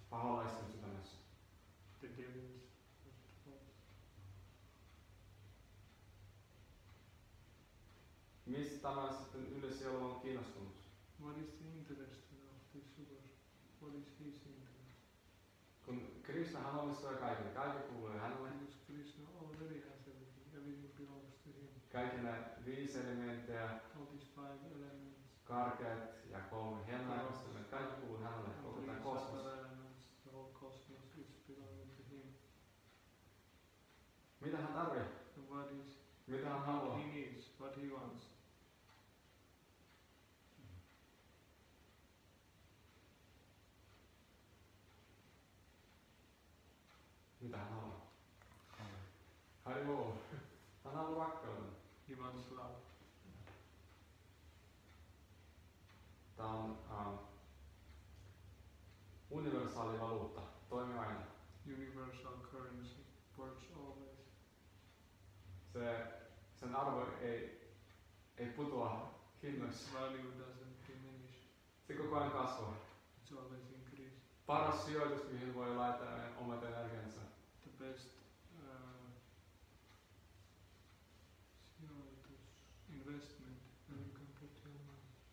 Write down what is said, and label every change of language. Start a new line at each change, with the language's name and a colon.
Finnish: Paholaisten sydämessä.
English: The demons.
Finnish: Mistä tämä sitten ylisielu on kiinnostunut?
English: What is the interest of this world? What is his interest?
Finnish: Kun Krishna hän omistaa kaiken, kaikki kuuluu hänelle.
English: Because Krishna already has everything, everything belongs to him.
Finnish: Kaikki nämä viisi elementtejä.
English: All these five elements.
Finnish: Karkeat ja kolme hengenlaitosta, me kaikki kuuluu hänelle, koko tämä kosmos.
English: The whole cosmos is belonging to him.
Finnish: Mitä hän tarvitsee?
English: What is?
Finnish: Mitä hän haluaa?
English: What he needs, what he wants.
Finnish: Mitä hän haluaa? Hari Bo, hän haluaa rakkauden.
English: He wants love.
Finnish: Tämä on universaali valuutta, toimii aina.
English: Universal currency, works always.
Finnish: Sen arvo ei putoa hinnoissa.
English: Value doesn't diminish.
Finnish: Se koko ajan kasvaa.
English: It's always increased.
Finnish: Paras sijoitus, mihin voi laittaa omat energiansa.
English: The best sijoitus, investment, where you can put your money.